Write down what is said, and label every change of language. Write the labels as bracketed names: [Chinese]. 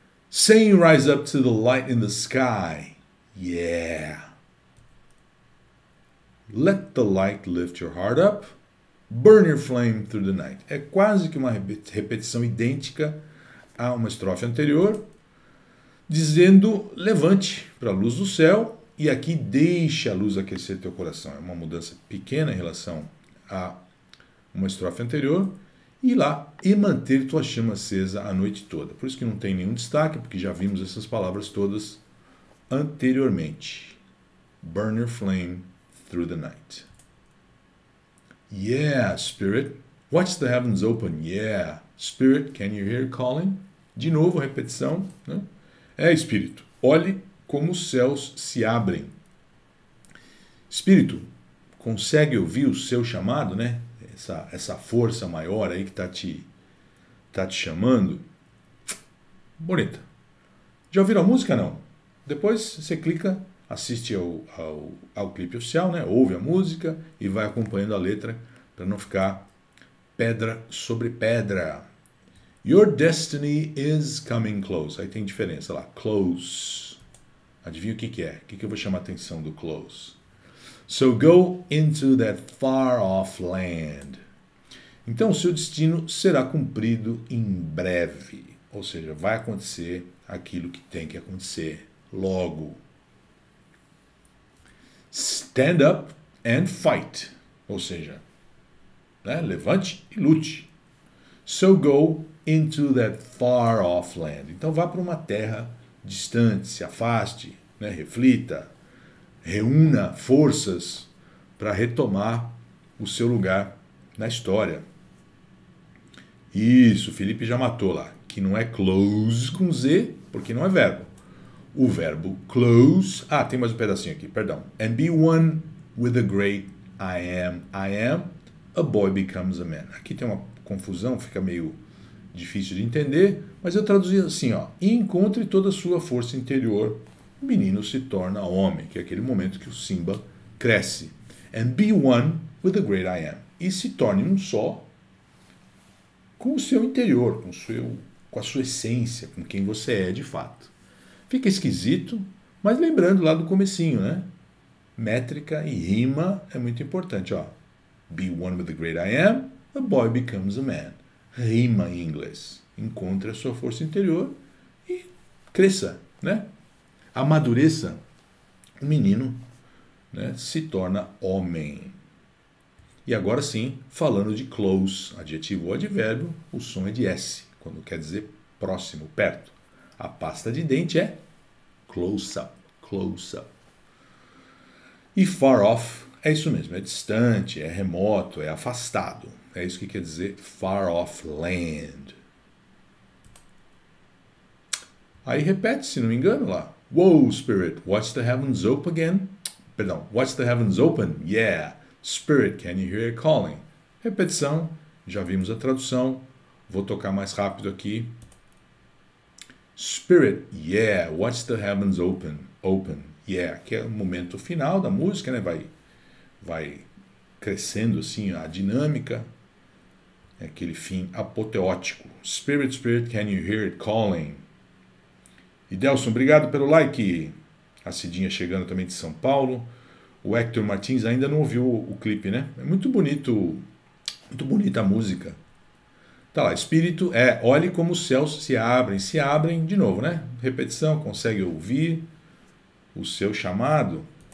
[English] Saying rise up to the light in the sky, yeah. Let the light lift your heart up, burn your flame through the night. [Portuguese] É quase que uma repetição idêntica a uma estrofe anterior, dizendo levante para a luz do céu e aqui deixe a luz aquecer teu coração. É uma mudança pequena em relação a uma estrofe anterior. E lá e manter tua chama acesa a noite toda. Por isso que não tem nenhum destaque, porque já vimos essas palavras todas anteriormente. [English] Burn your flame through the night. Yeah, spirit, watch the heavens open. Yeah, spirit, can you hear calling? [Portuguese] De novo, repetição, né? É, espírito, olhe como os céus se abrem. Espírito, consegue ouvir o seu chamado, né? Essa força maior aí que tá te chamando. Bonita. Já ouviram a música, não? Depois você clica, assiste ao clipe oficial, né? Ouve a música e vai acompanhando a letra para não ficar pedra sobre pedra. [English] Your destiny is coming close. [Portuguese] Aí tem diferença lá. Close. Adivinha o que que é? O que que eu vou chamar a atenção do close? [English] So go into that far off land. [Portuguese] Então seu destino será cumprido em breve. Ou seja, vai acontecer aquilo que tem que acontecer logo. [English] Stand up and fight. [Portuguese] Ou seja, né, levante e lute. [English] So go into that far off land. [Portuguese] Então vá para uma terra distante, se afaste, né, reflita. Reúna forças para retomar o seu lugar na história. Isso, o Felipe já matou lá. Que não é close com Z, porque não é verbo. O verbo close... Ah, tem mais um pedacinho aqui, perdão. [English] And be one with the great I am. A boy becomes a man. [Portuguese] Aqui tem uma confusão, fica meio difícil de entender. Mas eu traduzi assim, ó. Encontre toda a sua força interior... O menino se torna homem, que é aquele momento que o Simba cresce. And be one with the great I am. E se torne um só com o seu interior, com a sua essência, com quem você é de fato. Fica esquisito, mas lembrando lá do comecinho, né? Métrica e rima é muito importante, ó. [English] Be one with the great I am, a boy becomes a man. [Portuguese] Rima em inglês. Encontre a sua força interior e cresça, né? Amadureça, o menino, né, se torna homem. E agora sim, falando de close, adjetivo ou advérbio, o som é de S, quando quer dizer próximo, perto. A pasta de dente é close up. E far off é isso mesmo, é distante, é remoto, é afastado. É isso que quer dizer far off land. Aí repete, se não me engano, lá. [English] Whoa, spirit, watch the heavens open again. Perdão, watch the heavens open. Yeah, spirit, can you hear it calling? [Portuguese] Repetição, já vimos a tradução. Vou tocar mais rápido aqui. [English] Spirit, yeah, watch the heavens open. Open, yeah. [Portuguese] Que é o momento final da música, né? Vai crescendo assim a dinâmica. É aquele fim apoteótico. [English] Spirit, can you hear it calling? [Portuguese] E Delson, obrigado pelo like. A Cidinha chegando também de São Paulo. O Hector Martins ainda não ouviu o clipe, né? É muito bonito. Muito bonita a música. Tá lá, espírito é. Olhe como os céus se abrem de novo, né? Repetição, consegue ouvir o seu chamado.